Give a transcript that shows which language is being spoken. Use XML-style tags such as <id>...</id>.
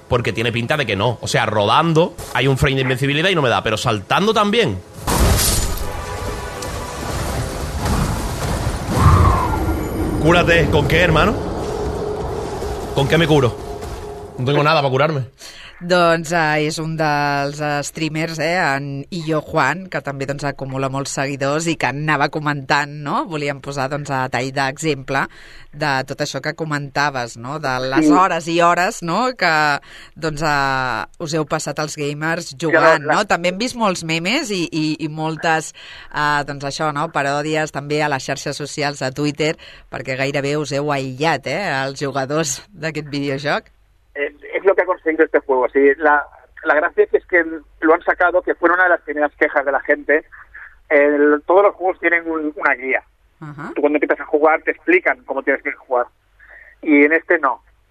<es>Porque tiene pinta de que no. O sea, rodando hay un frame de invencibilidad y no me da, pero saltando también... Cúrate. ¿Con qué, hermano? ¿Con qué me curo? No tengo nada para curarme.</es> <ca>Doncs és un dels streamers, en Illo Juan, que també acumula molts seguidors i que anava comentant, no? Volíem posar a tall d'exemple de tot això que comentaves, no? De les hores i hores, no? Que us heu passat els gamers jugant, no? També hem vist molts memes i moltes paròdies també a les xarxes socials, a Twitter, perquè gairebé us heu aïllat, els jugadors d'aquest videojoc.</ca> <es>Es lo que ha conseguido este juego. Sí, la gracia es que lo han sacado, que fue una de las primeras quejas de la gente. Todos los juegos tienen una guía. Uh-huh. Tú cuando empiezas a jugar te explican cómo tienes que jugar. Y en este no.</es>